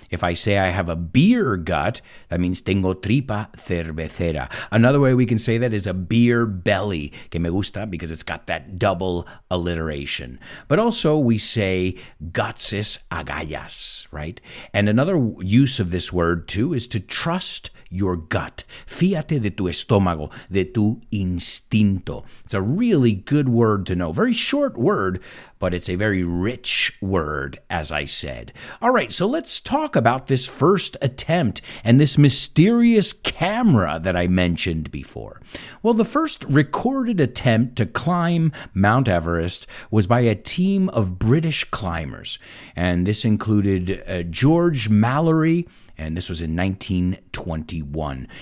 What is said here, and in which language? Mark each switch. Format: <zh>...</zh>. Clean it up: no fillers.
<en>If I say I have a beer gut, that means</en> <es>tengo tripa cervecera.</es> <en>Another way we can say that is a beer belly,</en> <es>que me gusta,</es> <en>because it's got that double alliteration. But also we say gutsis agallas. Yes, right? And another use of this word, too, is to trust your gut.</en> <es>Fíate de tu estómago, de tu instinto.</es> <en>It's a really good word to know. Very short word, but it's a very rich word, as I said. All right, so let's talk about this first attempt and this mysterious camera that I mentioned before. Well, the first recorded attempt to climb Mount Everest was by a team of British climbers, and this included George Mallory, and this was in 1921.</en>